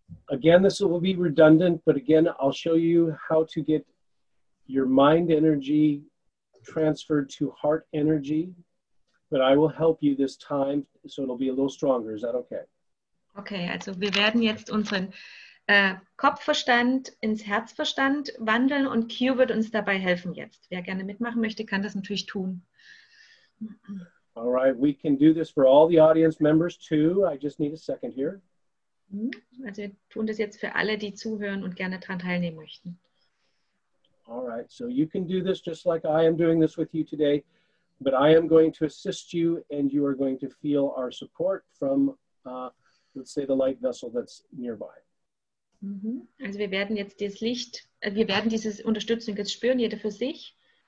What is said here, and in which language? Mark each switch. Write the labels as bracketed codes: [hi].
[en] Again, this will be redundant, but again, I'll show you how to get your mind energy transferred to heart energy, but I will help you this time, so it'll be a little stronger. Is that okay? [de] Okay, also wir werden jetzt unseren Kopfverstand ins Herzverstand wandeln und Q wird uns dabei helfen jetzt. Wer gerne mitmachen möchte, kann das natürlich tun. [en] All right, we can do this for all the audience members too. I just need a second here. [de] Also wir tun das jetzt für alle, die zuhören und gerne daran teilnehmen möchten. [en] All right, so you can do this just like I am doing this with you today, but I am going to assist you and you are going to feel our support from, let's say, the light vessel that's nearby. [de] Also wir werden jetzt dieses Licht, wir werden diese Unterstützung jetzt spüren, jeder für sich.